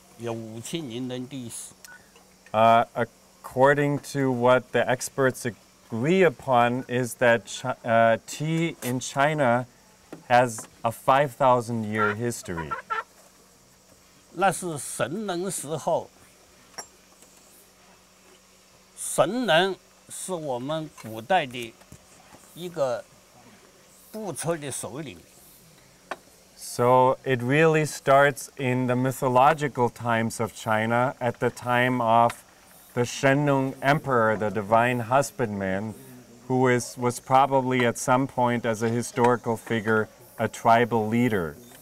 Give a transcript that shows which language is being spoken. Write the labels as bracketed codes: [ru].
[zh] 茶叶起源于我国，大概五千年来，有五千年的历史。 [en] According to what the experts agree upon is that tea in China has a 5,000 year history. [zh] 那是神农时候。神能是我们古代的一个部族的首领。So [en] it really starts in the mythological times of China, at the time of the Shennong Emperor, the divine husbandman, who was probably at some point as a historical figure, a tribal leader.